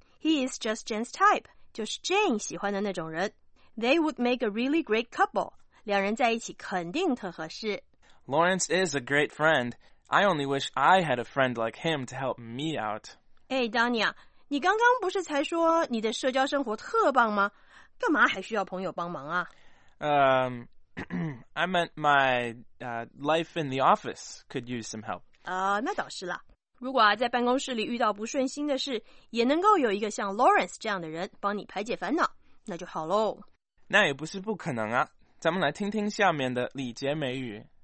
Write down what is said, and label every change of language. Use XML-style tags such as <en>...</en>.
<en>He is just Jen's type。</en> <zh>就是 Jane 喜欢的那种人</zh> <en>They would make a really great couple</en> <zh>两人在一起肯定特合适</zh> <en>Lawrence is a great friend I only wish I had a friend like him to help me out</en> <zh>哎 Donnie 啊你刚刚不是才说你的社交生活特棒吗干嘛还需要朋友帮忙啊</zh> <en>I meant my life in the office could use some help</en> <zh>那倒是啦如果啊，在办公室里遇到不顺心的事，也能够有一个像 Lawrence 这样的人帮你排解烦恼，那就好喽。那也不是不可能啊。咱们来听听下面的礼节美语。</zh>